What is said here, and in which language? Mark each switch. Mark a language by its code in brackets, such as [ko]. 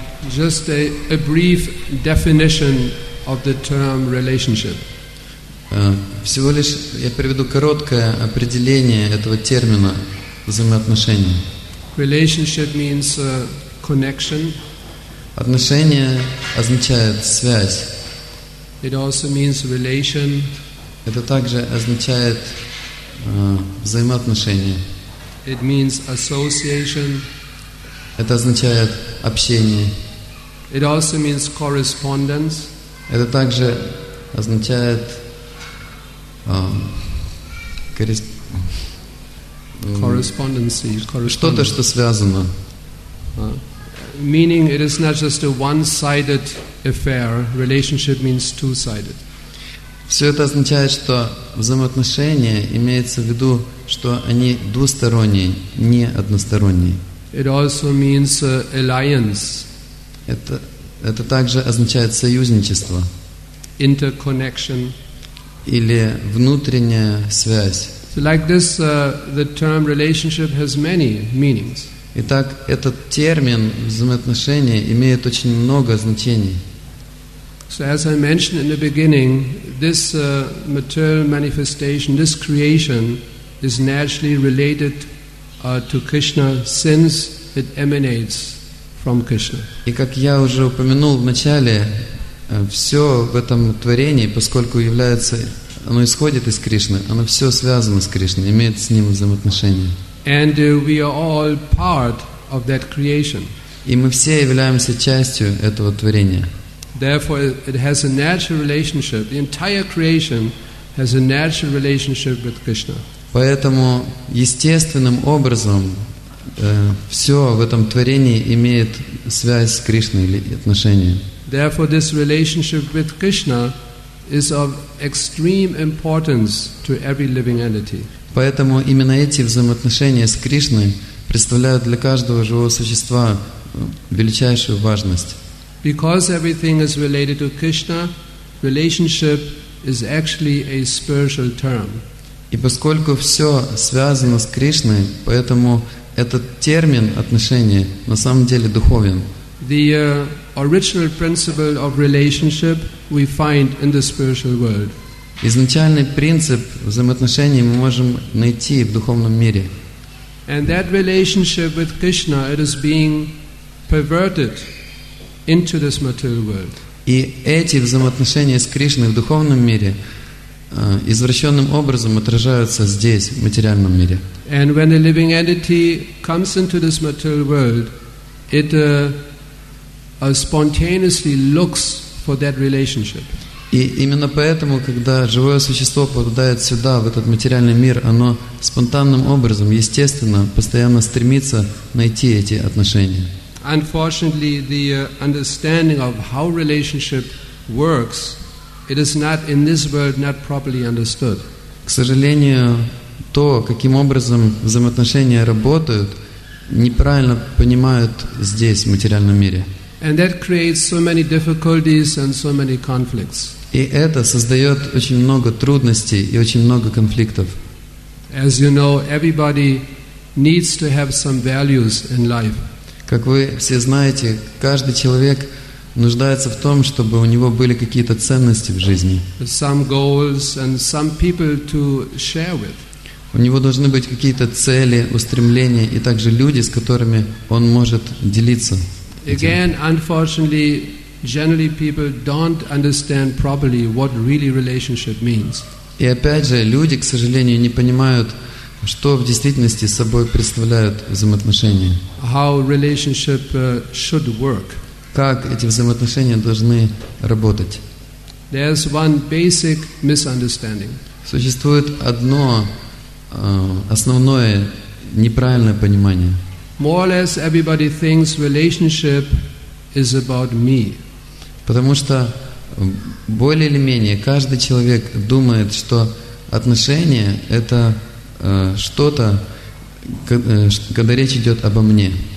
[en] Just a brief definition of the term relationship. [ru] Всего лишь я приведу короткое определение этого термина взаимоотношения. [en] Relationship means connection. [ru] Отношение означает связь. [en] It also means relation. [ru] Это также означает взаимоотношение. [en] It means association. [ru] Это означает общение. [en] It also means correspondence. [ru] Это также означает [en] correspondence. [ru] Что-то, что связано. [en] Meaning it is not just a one-sided affair. Relationship means two-sided. [ru] Все это означает, что взаимоотношения имеется в виду, что они двусторонние, не односторонние. [en] It also means alliance. [ru] Это также означает союзничество. [en] Interconnection. [ru] Или внутренняя связь. [en] So like this, the term relationship has many meanings. [ru] Итак, этот термин взаимоотношения имеет очень много значений. [en] So as I mentioned in the beginning, this material manifestation, this creation, is naturally related to Krishna since it emanates from Krishna. [ru] И как я уже упомянул в начале, все в этом творении, поскольку является, оно исходит из Кришны, оно все связано с Кришной, имеет с ним взаимоотношения. [en] And we are all part of that creation. [ru] И мы все являемся частью этого творения. [en] Therefore, it has a natural relationship. The entire creation has a natural relationship with Krishna. [ru] Поэтому естественным образом все в этом творении имеет связь с Кришной или отношения. [en] Therefore, this relationship with Krishna is of extreme importance to every living entity. [ru] Поэтому именно эти взаимоотношения с Кришной представляют для каждого живого существа величайшую важность. [en] Because everything is related to Krishna, relationship is actually a spiritual term. [ru] И поскольку все связано с Кришной, поэтому этот термин отношения на самом деле духовен. [en] The original principle of relationship we find in the spiritual world. [ru] Изначальный принцип взаимоотношений мы можем найти в духовном мире. [en] And that relationship with Krishna, it is being perverted into this material world. [ru] И эти взаимоотношения с Кришной в духовном мире извращенным образом отражаются здесь, в материальном мире. [en] And when a living entity comes into this material world, it spontaneously looks for that relationship. [ru] И именно поэтому, когда живое существо попадает сюда, в этот материальный мир, оно спонтанным образом, естественно, постоянно стремится найти эти отношения. [en] Unfortunately, the understanding of how relationship works, it is not in this world not properly understood. [ru] К сожалению, то, каким образом взаимоотношения работают, неправильно понимают здесь, в материальном мире. [en] And that creates so many difficulties and so many conflicts. [ru] И это создает очень много трудностей и очень много конфликтов. [en] As you know, everybody needs to have some values in life. [ru] Как вы все знаете, каждый человек нуждается в том, чтобы у него были какие-то ценности в жизни. [en] Some goals and some people to share with. [ru] У него должны быть какие-то цели, устремления и также люди, с которыми он может делиться. [en] Again, unfortunately, generally people don't understand properly what really relationship means. [ru] И опять же, люди, к сожалению, не понимают, что в действительности собой представляют взаимоотношения. [en] How relationship should work. [ru] Как эти взаимоотношения должны работать. [en] There's one basic misunderstanding. [ru] Существует одно основное неправильное понимание. [en] More or less everybody thinks relationship is about me. [ru] Потому что более или менее каждый человек думает, что отношения — это что-то, когда речь идет обо мне.